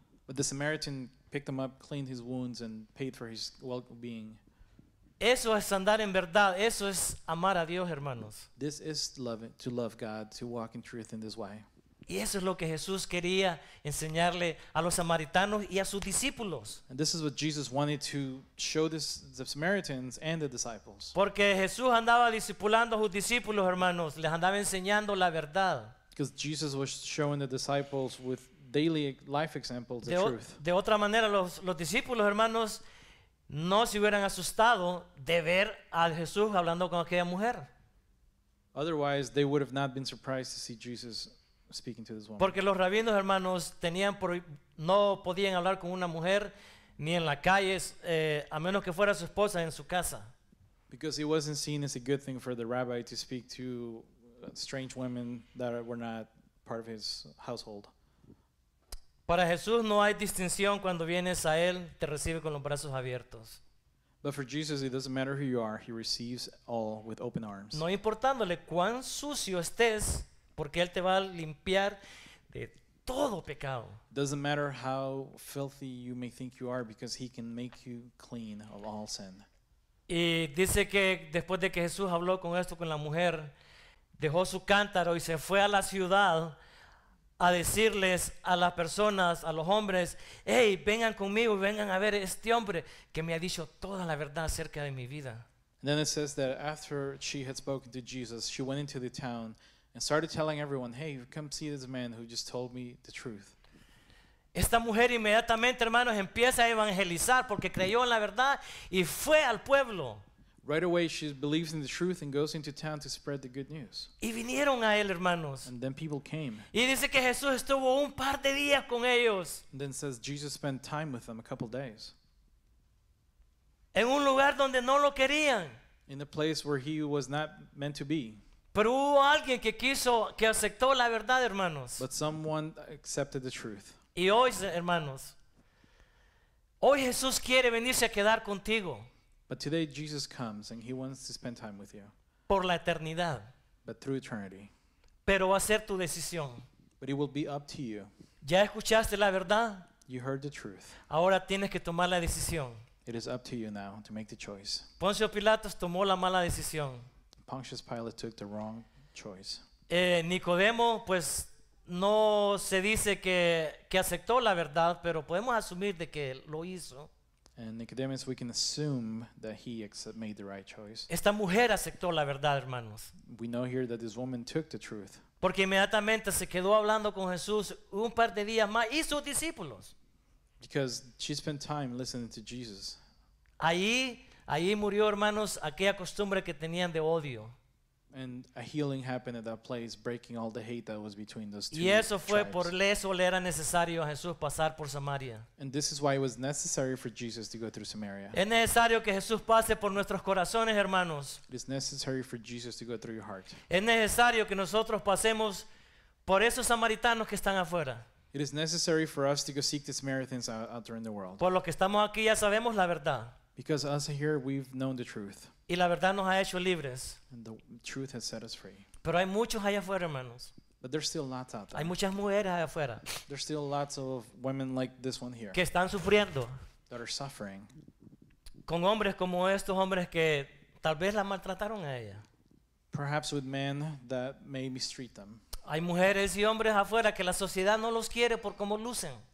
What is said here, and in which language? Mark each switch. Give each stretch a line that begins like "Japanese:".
English: But the Samaritan picked him up, cleaned his wounds and paid for his well-being.
Spanish: Eso es andar en verdad, eso es amar a Dios, hermanos.
English: This is loving, to love God, to walk in truth in this way.
Spanish: Y eso es lo que Jesús quería enseñarle a los samaritanos y a sus discípulos.
English: And this is what Jesus wanted to show this, the Samaritans and the disciples.
Spanish: Porque Jesús andaba discipulando a sus discípulos, hermanos. Les andaba enseñando la verdad.
English: Because Jesus was showing the disciples with daily life examples the truth.
Spanish: De otra manera, los discípulos, hermanos, no se hubieran asustado de ver a Jesús hablando con aquella mujer.
English: Otherwise, they would have not been surprised to see Jesus speaking to this woman.
Spanish: Porque los rabinos, hermanos, no podían hablar con una mujer ni en la calle, a menos que fuera su esposa en su casa.
English: Because it wasn't seen as a good thing for the rabbi to speak to strange women that were not part of his household.
Spanish: Para Jesús no hay distinción cuando vienes a él, te recibe con los brazos abiertos.
English: But for Jesus, it doesn't matter who you are, he receives all with open arms.
Spanish: No importándole cuán sucio estés, porque él te va a limpiar de todo pecado.
English: It doesn't matter how filthy you may think you are, because he can make you clean of all sin.
Spanish: Y dice que después de que Jesús habló con esto con la mujer, dejó su cántaro y se fue a la ciudad a decirles a las personas, a los hombres, hey, vengan conmigo, vengan a ver este hombre que me ha dicho toda la verdad acerca de mi vida.
English: And then it says that after she had spoken to Jesus, she went into the town and started telling everyone, hey, come see this man who just told me the truth.
Spanish: Esta mujer inmediatamente, hermanos, empieza a evangelizar porque creyó en la verdad y fue al pueblo.
English: Right away, she believes in the truth and goes into town to spread the good news.
Spanish: Y vinieron a él, hermanos.
English: And then people came.
Spanish: Y dice que Jesús estuvo un par de días con ellos.
English: And then says Jesus spent time with them a couple days.
Spanish: En un lugar donde no lo querían.
English: In a place where he was not meant to be.
Spanish: Pero hubo alguien que quiso, que aceptó la verdad, hermanos.
English: But someone accepted the truth.
Spanish: Y hoy, hermanos, hoy Jesús quiere venirse a quedar contigo.
English: But today Jesus comes and he wants to spend time with you.
Spanish: Por la eternidad.
English: But through eternity.
Spanish: Pero va a ser tu decisión.
English: But it will be up to you.
Spanish: Ya escuchaste la verdad.
English: You heard the truth.
Spanish: Ahora tienes que tomar la decisión.
English: It is up to you now to make the choice.
Spanish: Poncio Pilatos tomó la mala decisión.
English: Pontius Pilate took the wrong choice.
Spanish: Nicodemo, pues no se dice que aceptó la verdad, pero podemos asumir de que lo hizo.
English: And Nicodemus, we can assume that he made the right choice.
Spanish: Esta mujer aceptó la verdad, hermanos.
English: We know here that this woman took the truth.
Spanish: Porque inmediatamente se quedó hablando con Jesús un par de días más y sus discípulos.
English: Because she spent time listening to Jesus.
Spanish: Ahí murió, hermanos, aquella costumbre que tenían de odio.
English: And a healing happened at that place, breaking all the hate that was between those two tribes.
Spanish: Y eso fue
English: tribes.
Spanish: Por eso le era necesario a Jesús pasar por Samaria.
English: And this is why it was necessary for Jesus to go through Samaria.
Spanish: Es necesario que Jesús pase por nuestros corazones, hermanos.
English: It is necessary for Jesus to go through your heart.
Spanish: Es necesario que nosotros pasemos por esos samaritanos que están afuera.
English: It is necessary for us to go seek the Samaritans out there in the world.
Spanish: Por lo que estamos aquí ya sabemos la verdad.
English: Because us here we've known the truth.
Spanish: Y la verdad nos ha hecho libres.
English: And the truth has set us free.
Spanish: Pero hay muchos allá afuera, hermanos.
English: But there's still lots out there.
Spanish: Hay muchas mujeres allá afuera.
English: There's still lots of women like this one here.
Spanish: Que están sufriendo.
English: That are suffering.
Spanish: Con hombres como estos hombres que tal vez la maltrataron a ella.
English: Perhaps with men that may mistreat them.
Spanish: Hay mujeres y hombres afuera que la sociedad no los quiere por cómo lucen.